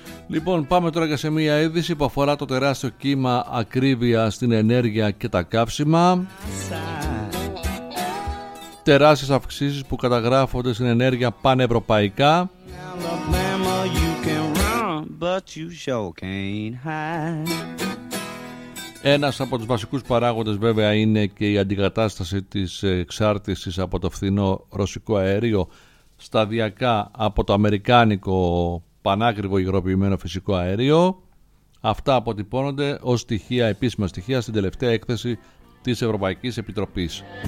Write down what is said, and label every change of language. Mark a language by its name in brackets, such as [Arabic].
[Greek] Λοιπόν, πάμε τώρα και σε μία είδηση που αφορά το τεράστιο κύμα ακρίβεια στην ενέργεια και τα καύσιμα. Τεράστιες αυξήσεις που καταγράφονται στην ενέργεια πανευρωπαϊκά. [English] Alabama, you can run, but you sure can't hide. [Greek] Ένας από τους βασικούς παράγοντες βέβαια είναι και η αντικατάσταση της εξάρτησης από το φθηνό ρωσικό αέριο, σταδιακά από το αμερικάνικο πανάκριβο υγροποιημένο φυσικό αέριο. Αυτά αποτυπώνονται ως στοιχεία, επίσημα στοιχεία, στην τελευταία έκθεση της Ευρωπαϊκής Επιτροπής.